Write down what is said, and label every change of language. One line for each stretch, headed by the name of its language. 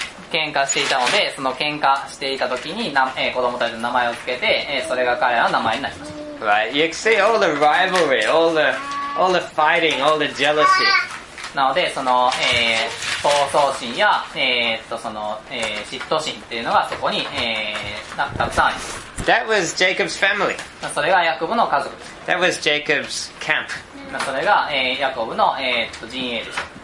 Japanese: 喧嘩していたのでその喧嘩していた時に、子供たちの名前をつけて、それが彼らの名前になりました。
English: Right. You can see all the rivalry, all the fighting, all the jealousy.
Japanese: なのでその、闘争心や、その、嫉妬心っていうのがそこに、たくさんあります。
English: That was Jacob's family.
Japanese: それがヤコブの家族です。
English: That was Jacob's camp.
Japanese: それが、ヤコブの、陣営です。